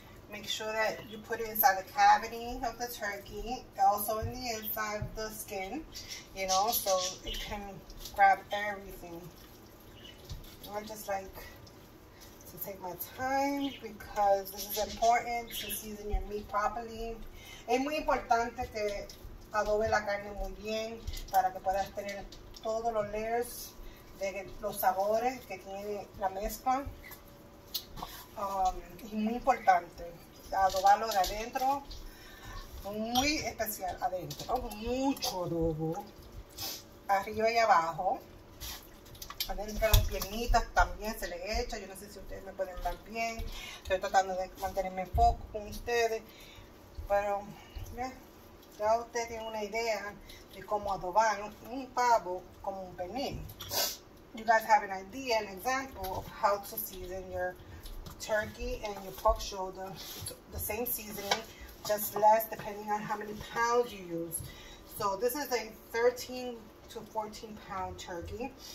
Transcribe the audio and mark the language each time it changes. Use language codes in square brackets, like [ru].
[en] Make sure that you put it inside the cavity of the turkey, also in the inside of the skin, you know, so it can grab everything. I just like to take my time because this is important to season your meat properly. [es] Es muy importante que adobe la carne muy bien para que puedas tener todos los layers de los sabores que tiene la mezcla. Es muy importante adobarlo de adentro, muy especial adentro, mucho adobo, arriba y abajo. Adentro las piernitas también se le echa, yo no sé si ustedes me pueden ver bien, estoy tratando de mantenerme foco con ustedes, pero ya ustedes tienen una idea de cómo adobar un pavo como un pernil. [en] You guys have an idea, an example of how to season your turkey and your pork shoulder, the same seasoning, just less depending on how many pounds you use. So this is a 13 to 14 pound turkey.